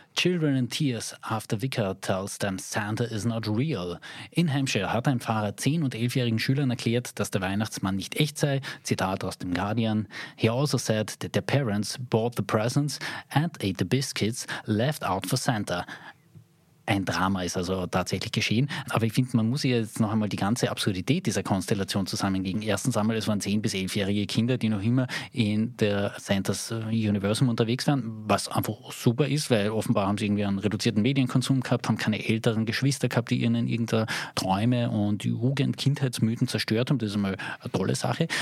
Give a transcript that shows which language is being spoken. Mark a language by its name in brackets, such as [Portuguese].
[English] Children in tears after vicar tells them Santa is not real. [German] In Hampshire hat ein Pfarrer 10- und 11-jährigen Schülern erklärt, dass der Weihnachtsmann nicht echt sei. Zitat aus dem Guardian. [English] He also said that their parents bought the presents and ate the biscuits left out for Santa. [German] Ein Drama ist also tatsächlich geschehen. Aber ich finde, man muss jetzt noch einmal die ganze Absurdität dieser Konstellation zusammenlegen. Erstens einmal, es waren 10- bis 11-jährige Kinder, die noch immer in der Santa's Universum unterwegs waren, was einfach super ist, weil offenbar haben sie irgendwie einen reduzierten Medienkonsum gehabt, haben keine älteren Geschwister gehabt, die ihnen irgendeine Träume und Jugend-Kindheitsmythen zerstört haben. Das ist einmal eine tolle Sache.